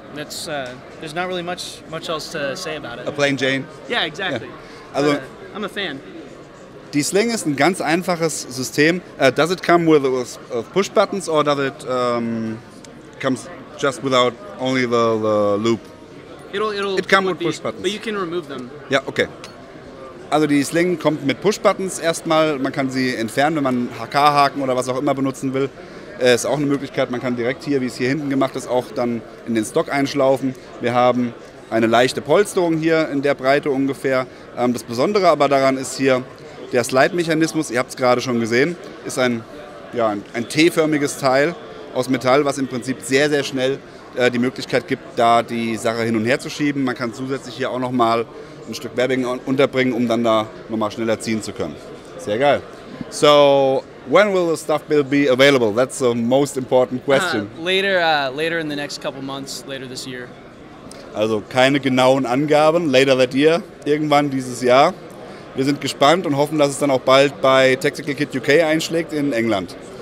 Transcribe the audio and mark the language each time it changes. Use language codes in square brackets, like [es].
[en] That's there's not really much else to say about it. A plain Jane? Yeah, exactly. Yeah. Also, I'm a fan. [de] Die Sling ist ein ganz einfaches System. [en] Does it come with push buttons, or does it comes just without only the loop? It'll come with push buttons. But you can remove them. Yeah, okay. [de] Also die Sling kommt mit Push-Buttons erstmal. Man kann sie entfernen, wenn man HK-Haken oder was auch immer benutzen will. Ist auch eine Möglichkeit. Man kann direkt hier, wie es hier hinten gemacht ist, auch dann in den Stock einschlaufen. Wir haben eine leichte Polsterung hier in der Breite ungefähr. Das Besondere aber daran ist hier der Slide-Mechanismus. Ihr habt es gerade schon gesehen. Ist ein T-förmiges Teil aus Metall, was im Prinzip sehr, sehr schnell die Möglichkeit gibt, da die Sache hin und her zu schieben. Man kann zusätzlich hier auch nochmal ein Stück Webbing unterbringen, um dann da nochmal schneller ziehen zu können. Sehr geil. So, [en] When will the stuff be available? That's the most important question. Later in the next couple months, later this year. [de] Also keine genauen Angaben, [en] later that year, [de] irgendwann dieses Jahr. Wir sind gespannt und hoffen, dass es dann auch bald bei Tactical Kit UK einschlägt in England.